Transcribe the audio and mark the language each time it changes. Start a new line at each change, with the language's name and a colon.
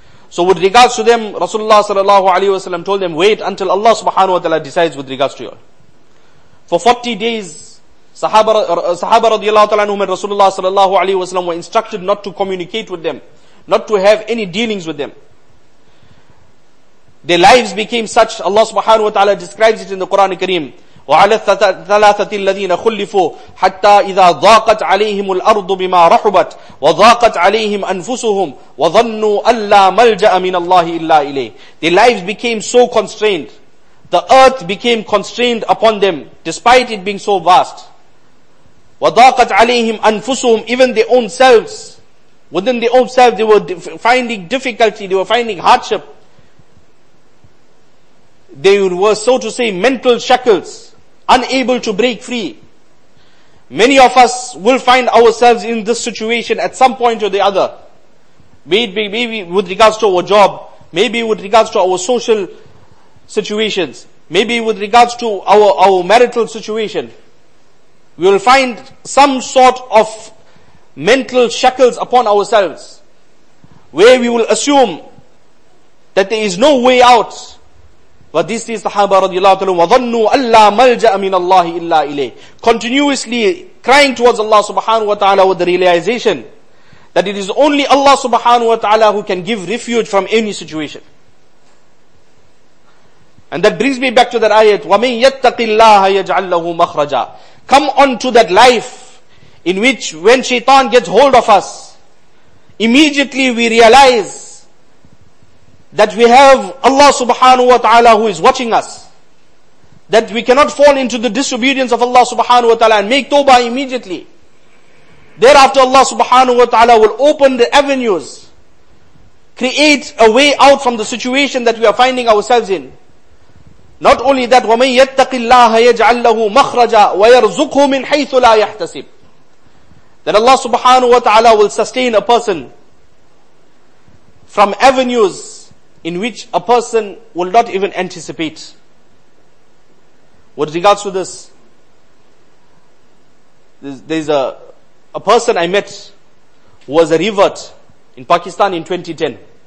English: So with regards to them, Rasulullah sallallahu alayhi wa sallam told them, wait until Allah subhanahu wa ta'ala decides with regards to you all. For 40 days, Sahaba radiallahu ta'ala anhum and Rasulullah sallallahu alayhi wa sallam were instructed not to communicate with them, not to have any dealings with them. Their lives became such, Allah subhanahu wa ta'ala describes it in the Quran Kareem,
Arabic: وَعَلَى الثَّلَاثَةِ الَّذِينَ خُلِّفُوا حَتَّى إِذَا ضَاقَتْ عَلَيْهِمُ الْأَرْضُ بِمَا رَحُبَتْ وَضَاقَتْ عَلَيْهِمْ أَنفُسُهُمْ وَظَنُّوا أَلَّا مَلْجَأَ مِنَ اللَّهِ إِلَّا إِلَيْهِ.
English: Their lives became so constrained. The earth became constrained upon them, despite it being so vast.
Arabic: وَضَاقَتْ عَلَيْهِمْ أَنفُسُهُمْ.
English: Even their own selves, within their own selves, they were finding difficulty, they were finding hardship. They were, so to say, mental shackles, unable to break free. Many of us will find ourselves in this situation at some point or the other. Maybe with regards to our job, maybe with regards to our social situations, maybe with regards to our marital situation. We will find some sort of mental shackles upon ourselves, where we will assume that there is no way out. But this is Sahaba radiallahu ta'ala,
Arabic: وَظَنُّوا أَلَّا مَلْجَأَ مِنَ اللَّهِ إِلَّا إِلَيْهِ.
English: Continuously crying towards Allah subhanahu wa ta'ala with the realization that it is only Allah subhanahu wa ta'ala who can give refuge from any situation. And that brings me back to that ayat,
Arabic: وَمَنْ يَتَّقِ اللَّهَ يَجْعَلْ لَهُ مَخْرَجًا.
English: Come on to that life in which when shaitan gets hold of us, immediately we realize that we have Allah subhanahu wa ta'ala who is watching us. That we cannot fall into the disobedience of Allah subhanahu wa ta'ala and make tawbah immediately. Thereafter Allah subhanahu wa ta'ala will open the avenues, create a way out from the situation that we are finding ourselves in. Not only that,
Arabic: وَمَنْ يَتَّقِ اللَّهَ يَجْعَلْ لَهُ مَخْرَجًا وَيَرْزُقْهُ مِنْ حَيْثُ لَا يَحْتَسِبْ.
English: That Allah subhanahu wa ta'ala will sustain a person from avenues in which a person will not even anticipate. With regards to this, there's a person I met who was a revert in Pakistan in 2010.